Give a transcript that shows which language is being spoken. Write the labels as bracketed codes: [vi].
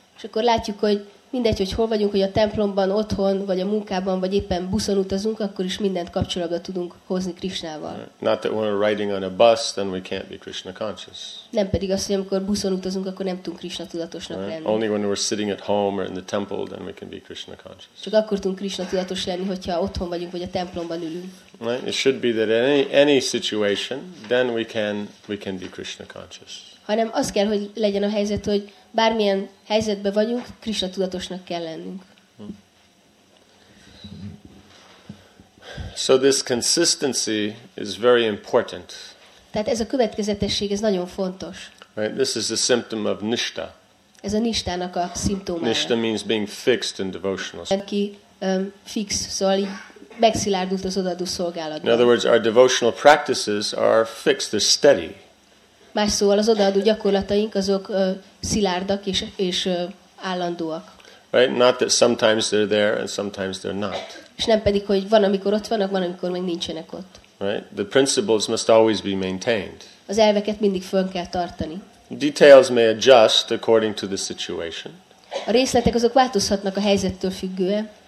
[hu] És akkor látjuk, hogy mindegy, hogy hol vagyunk, hogy a templomban, otthon, vagy a munkában, vagy éppen buszon utazunk, akkor is mindent kapcsolatba tudunk hozni Krishnával. [en] Not that when we're riding on a bus, then we can't be Krishna conscious. [hu] Nem pedig azt, hogy amikor buszon utazunk, akkor nem tudunk Krishna tudatosnak lenni. [en] Only when we're sitting at home or in the temple, then we can be Krishna conscious. [hu] Csak akkor tudunk Krishna tudatos lenni, hogyha otthon vagyunk, vagy a templomban ülünk. [en] Right? It should be that in any situation, then we can be Krishna conscious. [hu] Hanem az kell, hogy legyen a helyzet, hogy bármilyen helyzetben vagyunk, Krishna tudatosnak kell lennünk. [en] So this consistency is very important. [hu] Tehát ez a következetesség, ez nagyon fontos. [en] Right? This is a symptom of nishta. [hu] Ez a nishtának a szimptomája. [en] Nishta means being fixed in devotional. [hu] Aki fix, szóval így megszilárdult az odaadó szolgálatban. [en] In other words, our devotional practices are fixed, they're steady. [hu] Más szóval az odaadó gyakorlataink azok szilárdak és állandóak. [en] Right, not that sometimes they're there and sometimes they're not. [hu] És nem pedig, hogy van amikor ott vannak, van amikor meg nincsenek ott. [en] Right, the principles must always be maintained. [hu] Az elveket mindig fönn kell tartani. [en] Details may adjust according to the situation. [hu] A részletek azok változhatnak a helyzettől függően.